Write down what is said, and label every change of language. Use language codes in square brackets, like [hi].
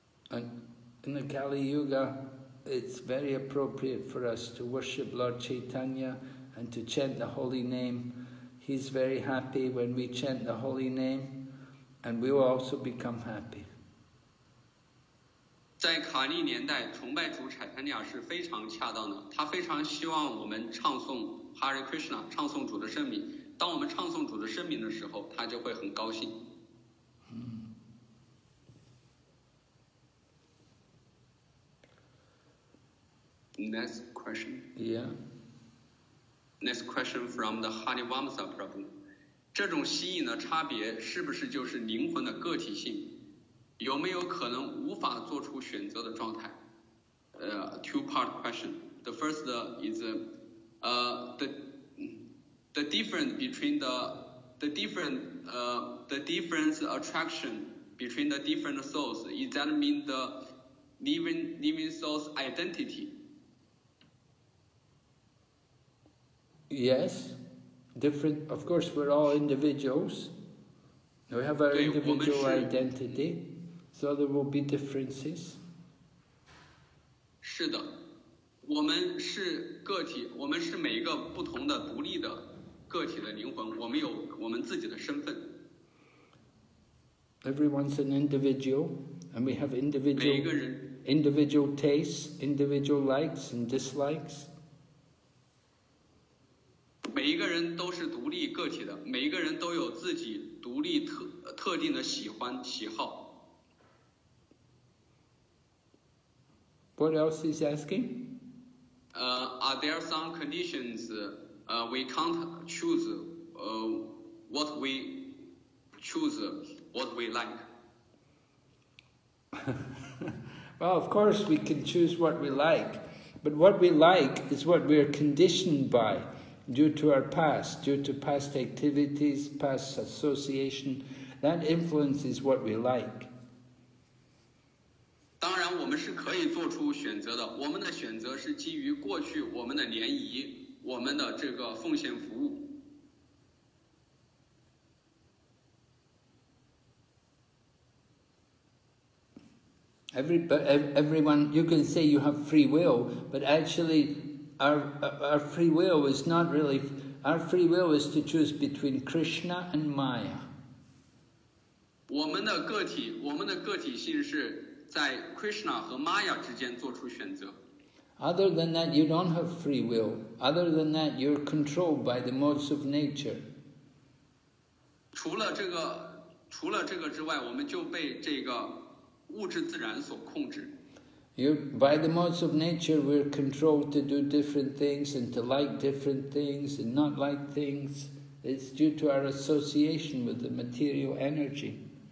[en] And in the Kali Yuga, it's very appropriate for us to worship Lord Chaitanya and to chant the holy name. He's very happy when we chant the holy name, and we will also become happy. [zh] 在卡利年代，崇拜主柴坦尼亚是非常恰当的。他非常希望我们唱诵 Hare Krishna, 唱诵主的圣名。当我们唱诵主的圣名的时候，他就会很高兴。 [en] Next question. Yeah. Next question from the Hari Vamsa Prabhu. [zh] 这种吸引的差别是不是就是灵魂的个体性？有没有可能无法做出选择的状态？ [en] Two-part question. The first is, the difference between the difference attraction between the different souls. Is that mean the living soul's identity? Yes, different. Of course, we're all individuals. We have our individual identity, so there will be differences. [zh] 是的，我们是个体，我们是每一个不同的独立的个体的灵魂，我们有我们自己的身份。 [en] Everyone's an individual, and we have individual tastes, individual likes and dislikes. [zh] 每一个人都是独立个体的，每一个人都有自己独立特定的喜欢喜好。 [en] What else is asking? are there some conditions we can't choose what we choose, what we like? Well, of course we can choose what we like, but what we like is what we are conditioned by due to our past, due to past activities, past association. That influences what we like. [zh] 当然我们是可以做出选择的，我们的选择是基于过去我们的涟漪，我们的这个奉献服务。 [en] Everyone, you can say you have free will, but actually our free will is not really, our free will is to choose between Krishna and Maya. [zh] 我们的个体性是在 Krishna 和 Maya 之间做出选择。 [en] Other than that, you don't have free will. Other than that, you're controlled by the modes of nature. [zh] 除了这个之外，我们就被这个物质自然所控制。 [en] By the modes of nature, we're controlled to do different things and to like different things and not like things. It's due to our association with the material energy.